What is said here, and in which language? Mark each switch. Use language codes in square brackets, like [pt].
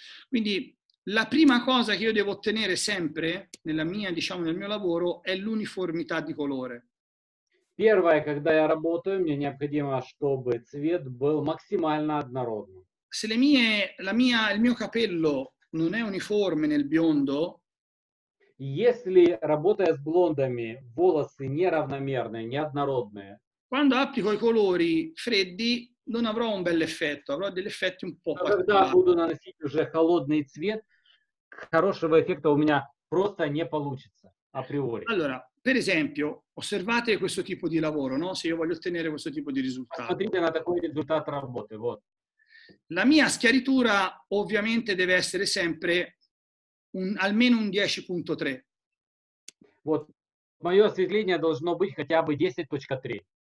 [it] Quindi, la prima cosa che io devo ottenere sempre, nella mia, diciamo, nel mio lavoro, è l'uniformità di colore. [ru] Первое, когда я работаю, мне необходимо, чтобы цвет был максимально однородным. [it] Se le mie, la mia, il mio capello non è uniforme nel biondo, [ru] если работая с блондами, волосы неравномерные, неоднородные, [it] quando applico i colori freddi, non avrò un bel effetto, avrò degli effetti un po' particolari. [ru] Когда буду наносить уже холодный цвет, хорошего эффекта у меня просто не получится, априори. [it] Allora, per esempio, osservate questo tipo di lavoro, no? Se io voglio ottenere questo tipo di risultato. [ru] Смотрите на такой результат работы, вот. [it] La mia schiaritura ovviamente deve essere sempre un, almeno un 10.3. [ru] Вот, моё осветление должно быть хотя бы 10.3.